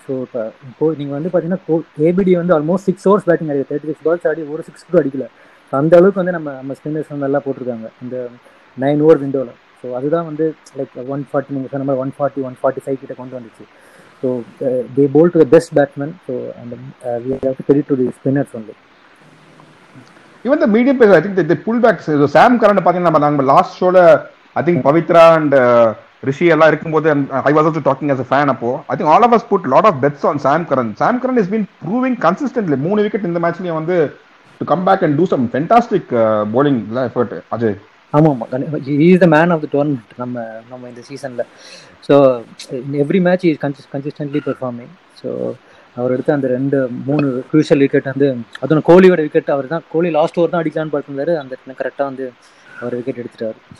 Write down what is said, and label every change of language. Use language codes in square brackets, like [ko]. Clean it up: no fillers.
[ta] So இப்போ நீங்கள் வந்து பார்த்தீங்கன்னா ஏபிடி வந்து ஆல்மோஸ்ட் 6 ஓவர்ஸ் பேட்டிங் அடிக்கல, 36 பால்ஸ் ஆடி ஒரு 6 அடிக்கல. ஸோ அந்த அளவுக்கு வந்து நம்ம ஸ்பின்னர்ஸ் வந்து நல்லா போட்டிருக்காங்க அந்த 9 ஓவர் விண்டோவில். ஸோ அதுதான் வந்து லைக் 140 நீங்கள் சொன்ன மாதிரி 140-145 கிட்ட கொண்டு வந்துச்சு. [en] So they pull to the best batsman. So அந்த we have to credit to the spinners வந்து. Even the medium pace, I think they pull back. So Sam Curran, last show, I think Pavitra and Rishi, and I was also talking as a fan. I think all of us put a lot of bets on Sam Curran. Sam Curran has been proving consistently. 3 wicket in the match, to come back and do some fantastic bowling effort, Ajay. He is the man of the tournament in the season. So, in every match, he is consistently performing. [ta] So, அவர் எடுத்த அந்த 2-3 crucial wicket வந்து அதுவும் கோலியோட wicket, அவர் தான் கோலி last over தான் அடிக்கலான்னு பார்த்துருந்தாரு, அந்த கரெக்டாக வந்து அவர் wicket எடுத்துட்டார்.